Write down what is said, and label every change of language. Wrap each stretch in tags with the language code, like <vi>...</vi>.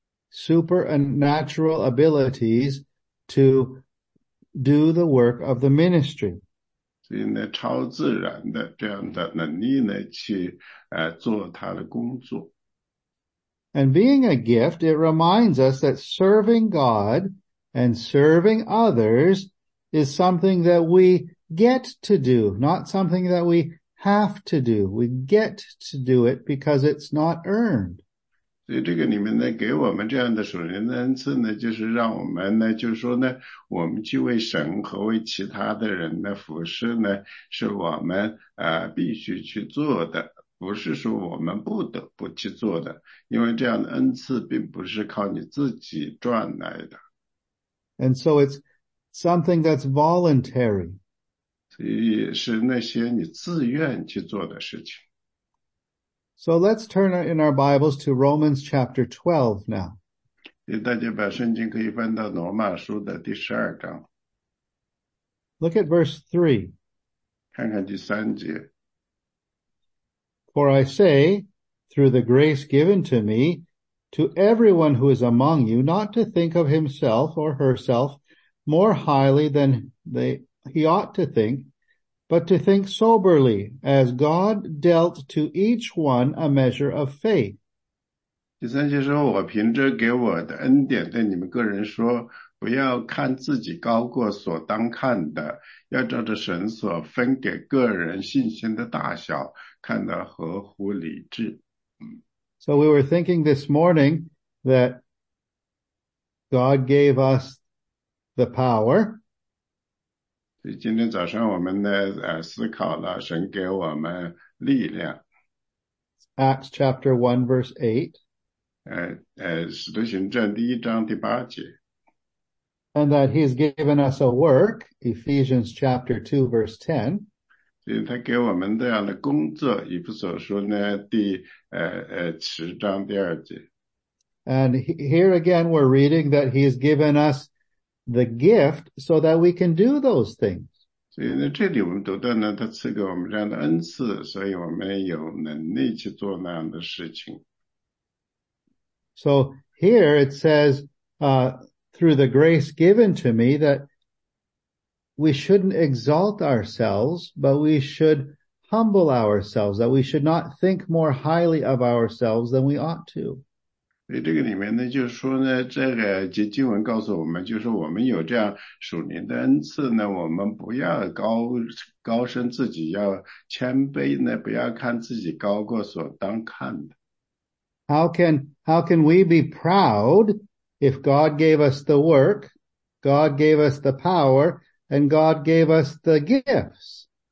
<en>Supernatural abilities to do the work of the ministry.</en> <zh>所以呢，超自然的这样的能力呢，去做他的工作。</zh> <en>And being a gift, it reminds us that serving God and serving others is something that we get to do, not something that we have to do. We get to do it because it's not earned.</en> <zh>所以这个里面呢，给我们这样的属灵的恩赐呢，就是让我们呢，就是说呢，我们去为神和为其他的人的服侍呢，是我们必须去做的。不是说我们不得不去做的，因为这样的恩赐并不是靠你自己赚来的。</zh> <en>And so it's something that's voluntary.</en> <zh>所以是那些你自愿去做的事情。</zh> <en>So let's turn in our Bibles to Romans chapter 12 now.</en> <zh>大家把圣经可以翻到罗马书的第十二章。</zh> <en>Look at verse 3.</en> <zh>看看第三节。</zh> <en>For I say, through the grace given to me, to everyone who is among you, not to think of himself or herself more highly than he ought to think, but to think soberly, as God dealt to each one a measure of faith.</en> <zh>第三节说，我凭着给我的恩典对你们个人说，不要看自己高过所当看的，要照着神所分给个人信心的大小，看得合乎理智。</zh> <en>So we were thinking this morning that God gave us the power.</en> <zh>所以今天早上我们呢思考了神给我们力量。</zh> <en>Acts chapter 1 verse 8.</en> <zh>使徒行传第一章第八节。</zh> <en>And that he has given us a work, Ephesians chapter 2 verse 10.</en> <zh>所以他给我们这样的工作，以弗所书呢第十章第二节。</zh> <en>And here again we're reading that he has given us the gift so that we can do those things.</en> <zh>所以呢，这里我们读到呢，他赐给我们这样的恩赐，所以我们有能力去做那样的事情。</zh> <en>So here it says, through the grace given to me that we shouldn't exalt ourselves, but we should humble ourselves, that we should not think more highly of ourselves than we ought to.</en> <zh>所以这个里面呢，就是说呢，这个经文告诉我们，就是我们有这样属灵的恩赐呢，我们不要高升自己，要谦卑呢，不要看自己高过所当看的。</zh> <en>How can we be proud if God gave us the work, God gave us the power, and God gave us the gifts?</en>